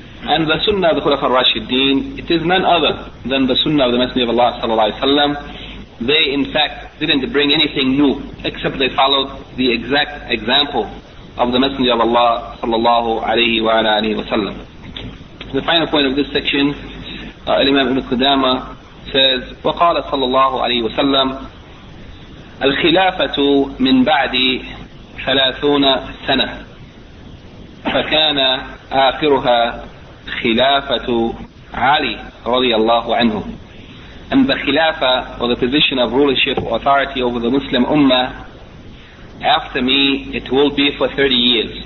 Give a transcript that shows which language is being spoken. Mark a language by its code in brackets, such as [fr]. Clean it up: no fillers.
[en] And the sunnah of the Khulafa al-Rashidin, it is none other than the sunnah of the Messenger of Allah sallallahu alayhi wa sallam. They in fact didn't bring anything new, except they followed the exact example of the Messenger of Allah sallallahu alayhi wa alayhi wa sallam. The final point of this section, [ar] الإمام ابن قدامة says, وقال صلى الله عليه وسلم الخلافة من بعد 30 سنة، فكان آخرها خلافة علي رضي الله عنه. [en] And the khilafa, or the position of rulership or authority over the Muslim ummah, after me, it will be for 30 years.